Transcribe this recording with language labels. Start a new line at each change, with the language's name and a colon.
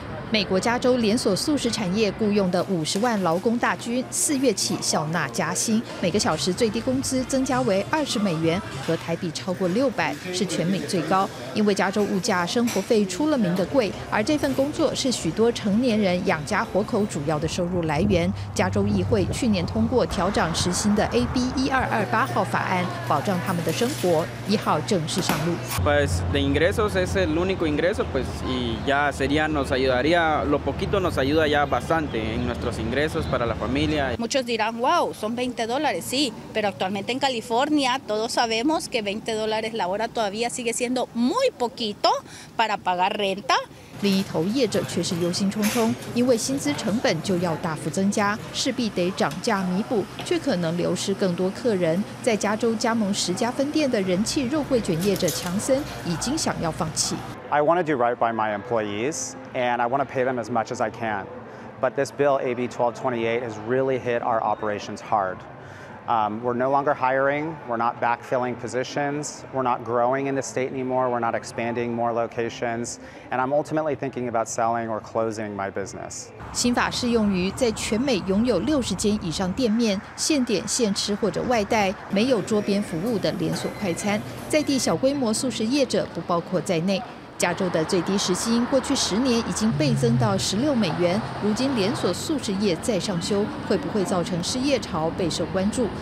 Chinese: 美国加州连锁素食产业雇用的50万劳工大军，四月起笑纳加薪，每个小时最低工资增加为20美元，和台币超过600，是全美最高。因为加州物价、生活费出了名的贵，而这份工作是许多成年人养家活口主要的收入来源。加州议会去年通过调涨时薪的 AB1228号法案，保障他们的生活。一号正式上路。
Spanish: Pues de ingresos es el único ingreso, pues y ya sería nos ayudaría. Lo poquito nos ayuda ya bastante en nuestros ingresos para la familia. Muchos dirán, wow, son $20, sí, pero actualmente en California todos sabemos que $20 la hora todavía sigue siendo muy poquito para pagar renta.
Chinese: 另一头业者却是忧心忡忡，因为薪资成本就要大幅增加，势必得涨价弥补，却可能流失更多客人。在加州加盟10家分店的人气肉桂卷业者强森已经想要放弃。
English: I want to do right by my employees, and I want to pay them as much as I can. But this bill, AB 1228, has really hit our operations hard. We're no longer hiring, we're not backfilling positions, we're not growing in the state anymore, we're not expanding more locations, and I'm ultimately thinking about selling or closing my business.
Chinese: 新法适用于在全美拥有60间以上店面、现点现吃或者外带、没有桌边服务的连锁快餐，在地小规模素食业者不包括在内。加州的最低时薪过去10年已经倍增到16美元，如今连锁素食业再上修，会不会造成失业潮备受关注。